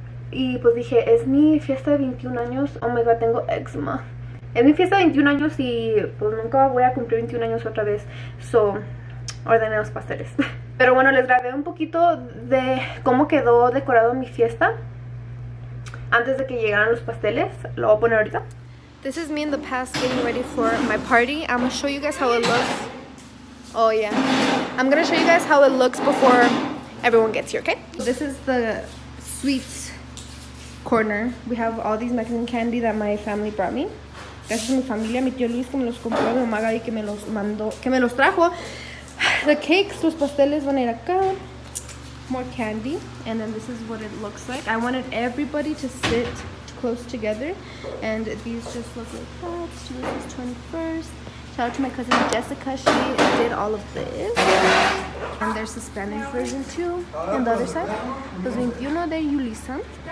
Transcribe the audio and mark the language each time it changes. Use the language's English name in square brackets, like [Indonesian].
[Spanish] Y pues dije, es mi fiesta de 21 años. [English] Oh my god, [Spanish] tengo eczema. Es mi fiesta de 21 años y pues nunca voy a cumplir 21 años otra vez. So, ordené los pasteles. Pero bueno, les grabé un poquito de cómo quedó decorado mi fiesta antes de que llegaran los pasteles. Lo voy a poner ahorita. [English] This is me in the past getting ready for my party. I'm gonna show you guys how it looks. Oh yeah. I'm gonna show you guys how it looks before everyone gets here, okay? This is the sweets corner. We have all these Mexican candy that my family brought me. [Spanish] Gracias a mi familia, mi tío Luis que me los compró, mi mamá Gaby que me los mandó, que me los trajo. [English] The cakes, [Spanish] los pasteles van a ir acá. [English] More candy. And then this is what it looks like. I wanted everybody to sit close together. And these just look like that. She was just 21st. Shout out to my cousin Jessica. She did all of this. And there's the Spanish version too. On the other side. [Spanish] Los 21 de Yulisa.